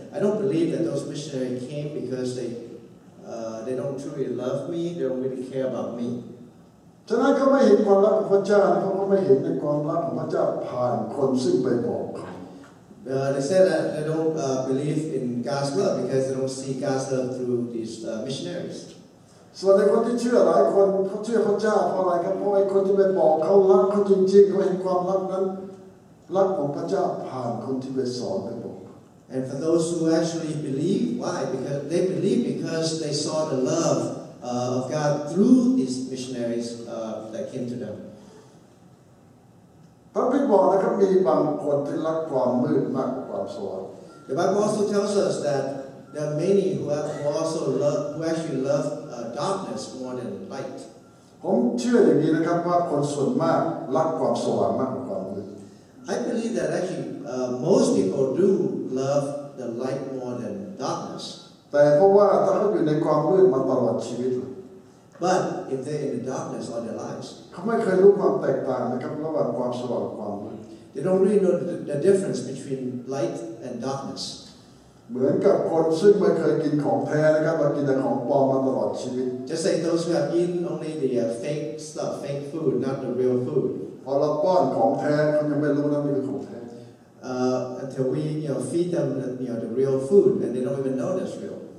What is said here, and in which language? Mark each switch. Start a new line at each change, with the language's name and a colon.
English: I don't believe that those missionaries came because they don't truly love me. They don't really care about me.
Thai: ฉะนั้นเขาไม่เห็นความรักของพระเจ้าเขาไม่เห็นในความรักของพระเจ้าผ่านคนซึ่งไปบอกเขา
English: They said that they don't believe in God's love because they don't see God's love through these missionaries.
Thai: ส่วนในคนที่เชื่อหลายคนเขาเชื่อพระเจ้าเพราะอะไรครับเพราะไอ้คนที่ไปบอกเขารักเขาจริงๆเขาเห็นความรักนั้นรักของพระเจ้าผ่านคนที่ไปสอนไปบอก
English: And for those who actually believe, why? Because they believe because they saw the love of God through these missionaries that came to them.
Thai: พระบิดาบอกนะครับมีบางคนที่รักความมืดมากกว่าความสว่าง
English: The Bible also tells us that there are many who actually love darkness more than light.
Thai: ผมเชื่ออย่างนี้นะครับว่าคนส่วนมากรักความสว่างมากกว่าความมืด
English: I believe that actually most people do. Love the light more than darkness.
Thai: แต่เพราะว่าถ้าเขาอยู่ในความมืดมาตลอดชีวิต
English: But if they're in the darkness all their lives,
Thai: เขาไม่เคยรู้ความแตกต่างนะครับระหว่างความสว่างความมืด
English: They don't really know the difference between light and darkness.
Thai: เหมือนกับคนซึ่งไม่เคยกินของแท้นะครับมากินแต่ของปลอมมาตลอดชีวิต
English: Just like those who have eaten only the fake stuff, fake food, not the real food.
Thai: พอเราป้อนของแท้เขายังไม่รู้นะนี่คือของแท้
English: Until we, you know, feed them, you know, the real food, and they don't even know that's real.